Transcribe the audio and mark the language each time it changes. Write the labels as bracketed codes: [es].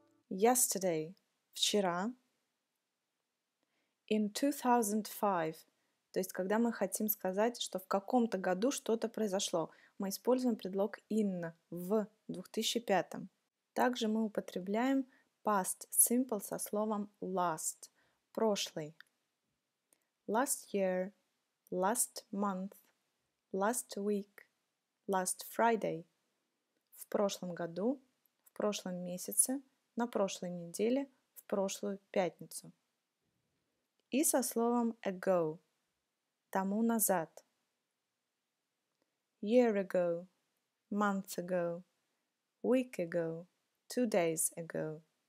[ru] Yesterday, вчера, in 2005, то есть когда мы хотим сказать, что в каком-то году что-то произошло, мы используем предлог in, в 2005. Также мы употребляем past simple со словом last, прошлый. [en] Last year, last month, last week, last Friday. [ru] В прошлом году, в прошлом месяце, на прошлой неделе, в прошлую пятницу. И со словом ago, тому назад. [en] Year ago, month ago, week ago, 2 days ago.